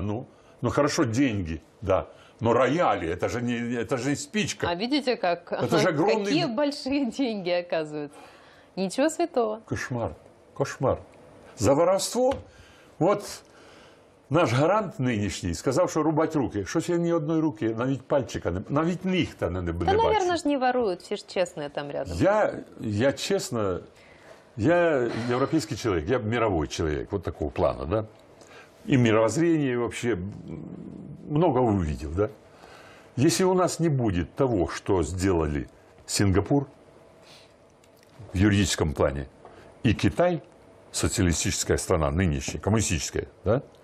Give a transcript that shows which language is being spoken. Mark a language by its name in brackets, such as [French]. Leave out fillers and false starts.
[Russian] Ну хорошо, деньги, да. Но рояли, это же не спичка. А видите, как? Это же огромные. Какие большие деньги оказываются. Ничего святого. Кошмар. Кошмар. За воровство? Вот наш гарант нынешний сказал, что рубать руки. Что себе ни одной руки, [Ukrainian] навіть пальчика, навіть нігта не бачу. [Russian] Да, наверное, ж не воруют, все ж честные там рядом. Я честно, я европейский человек, я мировой человек, вот такого плана, да? И мировоззрение вообще много увидел, да? Если у нас не будет того, что сделали Сингапур в юридическом плане, и Китай, социалистическая страна нынешняя, коммунистическая, да?